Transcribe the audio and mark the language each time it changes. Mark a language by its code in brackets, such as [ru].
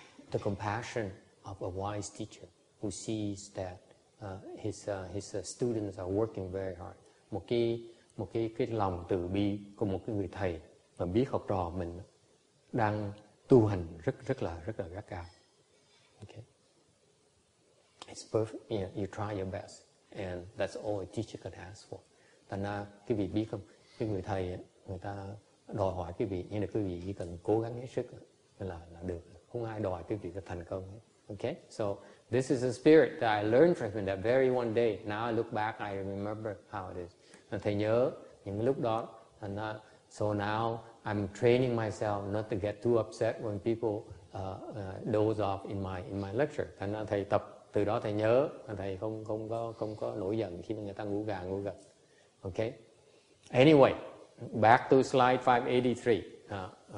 [en] The compassion of a wise teacher who sees that his students are working very hard. [vi] Một cái lòng từ bi của một cái người thầy mà biết học trò mình đang tu hành rất là gắt gao. [en] Okay. It's perfect. You know, you try your best, and that's all a teacher can ask for. [vi] Thành ra cái vị biết không? Cái người thầy người ta đòi hỏi cái vị, nhưng mà cái vị chỉ cần cố gắng hết sức là được. Không ai đòi cái vị là thành công. [en] Okay. So this is the spirit that I learned from him that very one day. Now I look back, I remember how it is. [vi] Thầy nhớ những lúc đó. [en] So now I'm training myself not to get too upset when people doze off in my lecture. [vi] Thầy tập từ đó thầy nhớ. Thầy không có nổi giận khi mà người ta ngủ gà ngủ gật. Okay. [en] Anyway, back to slide 583.